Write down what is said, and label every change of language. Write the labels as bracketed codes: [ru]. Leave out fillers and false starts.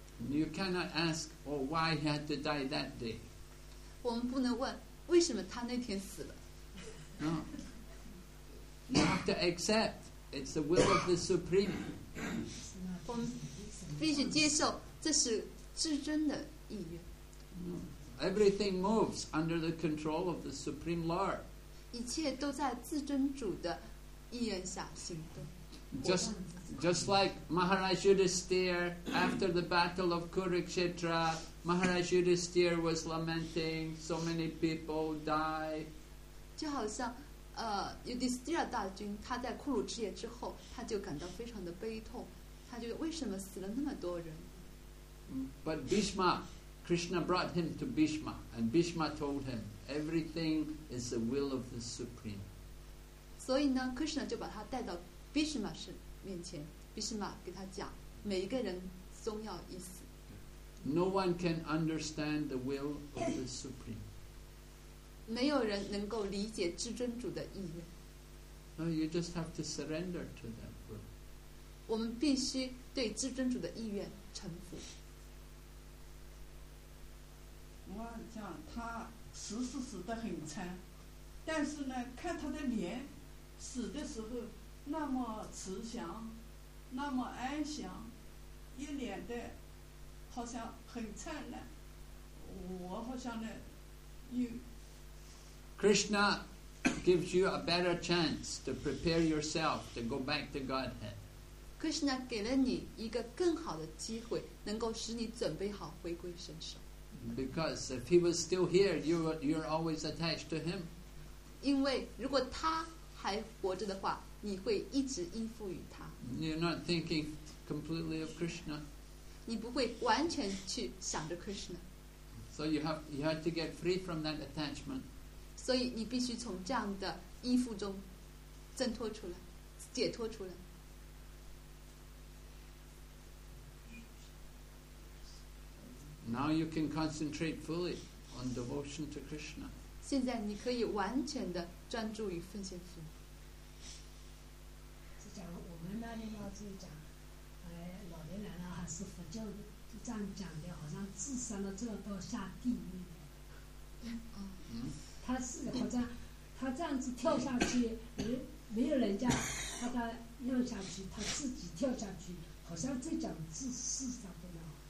[en] You cannot ask, or why he had to die that day. [zh] 我们不能问为什么他那天死了。 [en] No. You have to accept it's the will of the Supreme. [zh] 我们必须接受这是至真的意愿。 [en] Everything moves under the control of the Supreme Lord. [zh] 一切都在至真主的意愿下行动。 [en] Just like Maharaj Yudhisthira after the battle of Kurukshetra, Maharaj Yudhisthira was lamenting so many people die. [zh] 就好像Yudhisthira 大军他在库鲁之夜之后他就感到非常的悲痛，他就为什么死了那么多人。 [en] But Bhishma, Krishna brought him to Bhishma and Bhishma told him everything is the will of the Supreme. [zh] 所以呢 Krishna 就把他带到Bhishma 是面前， Bhishma 给他讲，每一个人终要一死。 [en] No one can understand the will of the Supreme. [zh] 没有人能够理解至尊主的意愿。 [en] No, you just have to surrender to that will. [zh] 我们必须对至尊主的意愿臣服。我讲他死是死得很惨，但是呢，看他的脸，死的时候。那么慈祥，那么安详，一脸的，好像很灿烂。我好像呢，又。 [en] Krishna gives you a better chance to prepare yourself to go back to Godhead. [zh] Krishna 给了你一个更好的机会，能够使你准备好回归神手。 [en] Because if he was still here, you're always attached to him. [zh] 因为如果他还活着的话。你会一直依附于他。 [en] You're not thinking completely of Krishna. [zh] 你不会完全去想着 Krishna. [en] So you have to get free from that attachment. [zh] 所以你必须从这样的依附中挣脱出来，解脱出来。 [en] Now you can concentrate fully on devotion to Krishna. [zh] 现在你可以完全的专注于奉献服务。我们那里要是讲，老年人啊，是佛教这样讲的，好像自杀了之后到下地狱。哦、嗯，他是好像他这样子跳下去，没有人家把他扔下去，他自己跳下去，好像在讲自世上的呢。